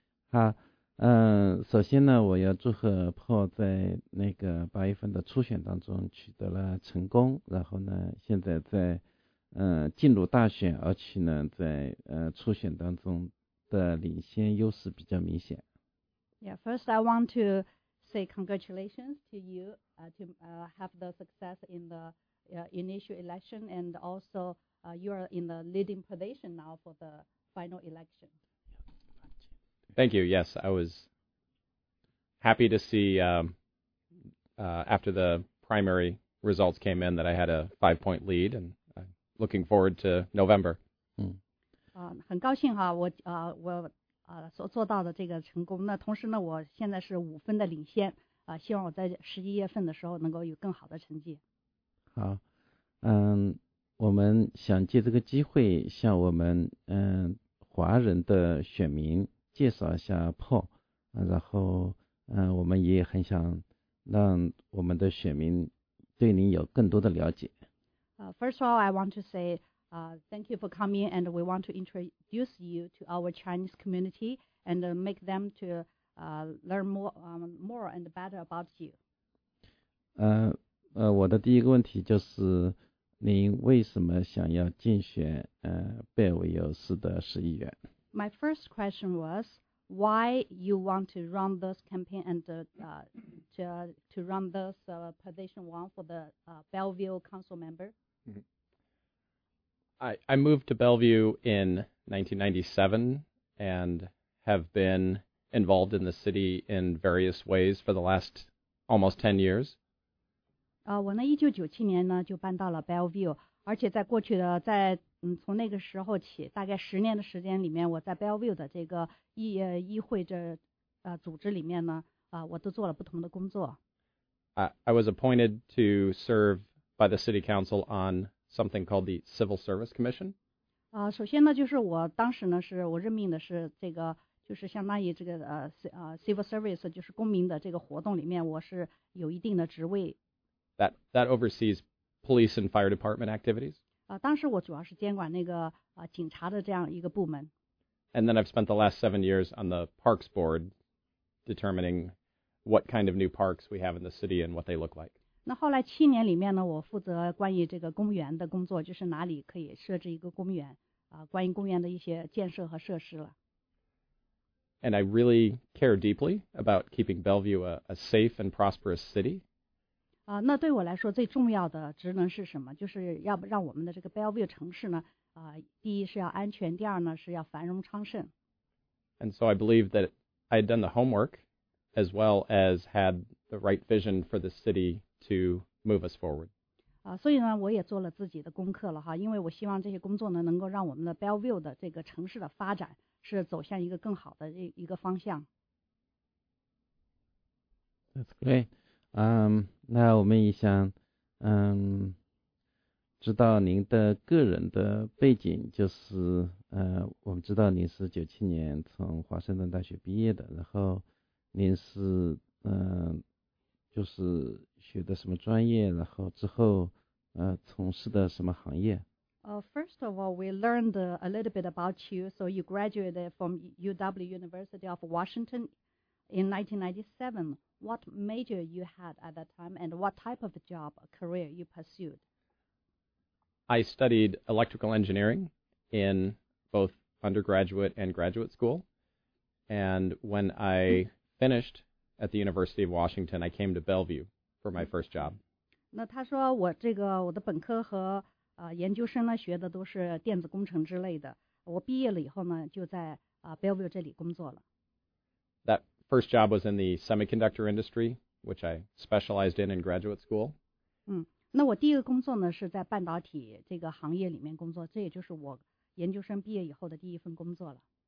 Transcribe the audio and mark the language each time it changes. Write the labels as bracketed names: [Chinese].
[Chinese] 好，首先呢，我要祝贺 Paul 在那个八月份的初选当中取得了成功，然后呢，现在在进入大选，而且呢，在初选当中的领先优势比较明显。 [English] Yeah, first I want to say congratulations to you have the success in the initial election, and also you are in the leading position now for the final election. Thank you. Yes, I was happy to see after the primary results came in that I had a 5-point lead, and looking forward to November. [Chinese] 很高兴哈，我所做到的这个成功。那同时呢，我现在是5分的领先，希望我在11月份的时候能够有更好的成绩。好，我们想借这个机会向我们华人的选民介绍一下 Paul， 然后我们也很想让我们的选民对您有更多的了解。 [English] First of all, I want to say thank you for coming, and we want to introduce you to our Chinese community and make them to learn more and better about you. [Chinese] 我的第一个问题就是，您为什么想要竞选贝尔维尤市的市议员？ [English] My first question was why you want to run this campaign and to run this position one for the Bellevue council member. I moved to Bellevue in 1997 and have been involved in the city in various ways for the last almost 10 years. [Chinese] 我呢1997年呢就搬到了 Bellevue， 而且在过去的从那个时候起，大概10年的时间里面，我在 Bellevue 的这个议会的组织里面呢我都做了不同的工作。 [English] I was appointed to serve by the city council on something called the Civil Service Commission. [Chinese] 首先呢，就是我当时呢，是我任命的是这个，就是相当于这个Civil Service， 就是公民的这个活动里面，我是有一定的职位。 [English] That oversees police and fire department activities. [Chinese] 当时我主要是监管那个警察的这样一个部门。 [English] And then I've spent the last 7 years on the Parks Board, determining what kind of new parks we have in the city and what they look like. [Chinese] 那后来七年里面呢，我负责关于这个公园的工作，就是哪里可以设置一个公园，关于公园的一些建设和设施了。 [English] And I really care deeply about keeping Bellevue a safe and prosperous city. [Chinese] 那对我来说最重要的职能是什么？就是要让我们的这个 Bellevue 城市呢，第一是要安全，第二呢是要繁荣昌盛。 [English] And so I believe that I had done the homework, as well as had the right vision for the city. To move us forward. [Chinese] 所以呢，我也做了自己的功课了哈，因为我希望这些工作呢，能够让我们的 Bellevue 的这个城市的发展是走向一个更好的一个方向。 [English] That's great. [Chinese] 那我们也想，知道您的个人的背景，就是我们知道您是1997年从华盛顿大学毕业的，然后您是就是学的什么专业，然后之后从事的什么行业。 [English] First of all, we learned a little bit about you. So you graduated from UW University of Washington in 1997. What major you had at that time, and what type of job career you pursued? I studied electrical engineering in both undergraduate and graduate school. And when I finished at the University of Washington, I came to Bellevue for my first job. [Chinese] 那他说我这个我的本科和研究生呢学的都是电子工程之类的。我毕业了以后呢就在Bellevue 这里工作了。 [English] That first job was in the semiconductor industry, which I specialized in graduate school. [Chinese] 那我第一个工作呢是在半导体这个行业里面工作，这也就是我研究生毕业以后的第一份工作了。